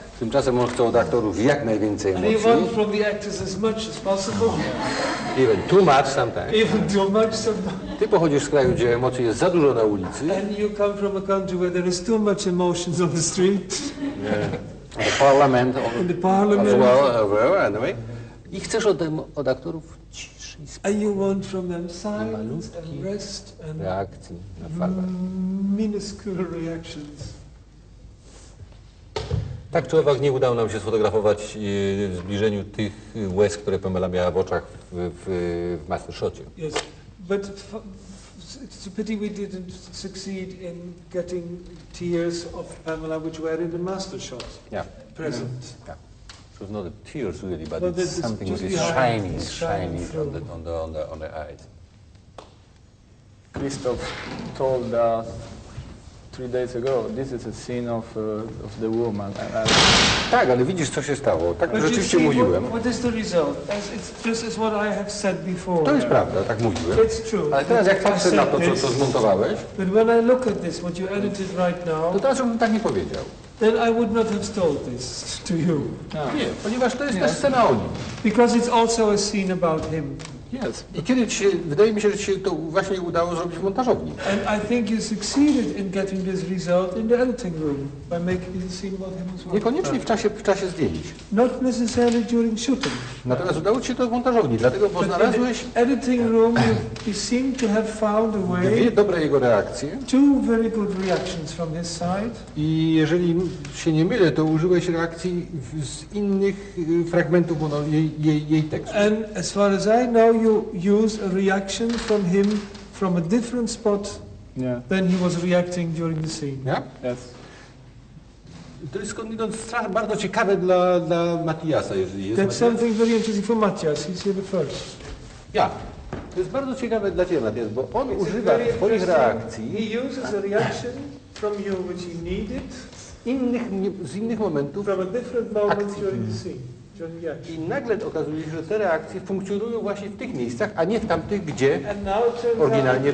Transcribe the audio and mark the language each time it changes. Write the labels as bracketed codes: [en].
[pl] Tymczasem on chce od aktorów jak najwięcej emocji. [en] And even from the actors as much as possible. Even too much sometimes. Even too much sometimes. [pl] Ty pochodzisz z kraju, gdzie emocji jest za dużo na ulicy. [en] And you come from a country where there is too much emotions on the street. Yeah. In the parliament. As well, anyway. [pl] I chcesz od aktorów ciszy i spokoju. [en] And you want from them silence and rest and [pl] reakcji na [en] minuscule reactions. [pl] Tak czy owak, nie udało nam się sfotografować w zbliżeniu tych łez, które Pamela miała w oczach w Mastershocie. [en] Yes, but it's a pity we didn't succeed in getting tears of Pamela, which were in the Mastershot present. Yeah. It was not the tears really, but it's something that is shiny on the eyes. Christoph told us 3 days ago, this is a scene of the woman. [pl] Tak, ale widzisz, co się stało. Tak rzeczywiście mówiłem. [en] What is the result? It's what I have said before. [pl] To jest prawda, tak mówiłem. [en] It's true. [pl] Ale teraz, jak patrzę na to, co zmontowałeś, [en] but when I look at this, what you edited right now, [pl] to teraz bym tak nie powiedział. [en] Then I would not have told this to you. [pl] Nie, ponieważ to jest ta scena o nim. [en] Because it's also a scene about him. Yes. [pl] I kiedy ci się, wydaje mi się, że ci się to właśnie udało zrobić w montażowni. [en] And I think you succeeded in getting this result in the editing room by making the scene about him as well. [pl] Niekoniecznie w czasie zdjęć. [en] Not necessarily during shooting. [pl] Natomiast udało ci się to w montażowni, dlatego bo znalazłeś [en] editing room you seem to have found a way. [pl] Dwie dobre jego reakcje. [en] Two very good reactions from his side. [pl] I jeżeli się nie mylę, to użyłeś reakcji z innych fragmentów jej tekstu. [en] And as far as I know, you use a reaction from him from a different spot than he was reacting during the scene. Yeah? [pl] Yes. To jest skądinąd bardzo ciekawe dla Matiasa, jeżeli jest. [en] That's something very interesting for Matias. He's here the first. [pl] Ja. To jest bardzo ciekawe dla ciebie, Matias, bo on [en] it's [pl] używa swoich reakcji. [en] He uses a reaction from you which he needed. [pl] Z innych momentów. [en] From a different moment [pl] akcji. [en] During the scene. [pl] I nagle okazuje się, że te reakcje funkcjonują właśnie w tych miejscach, a nie w tamtych, gdzie oryginalnie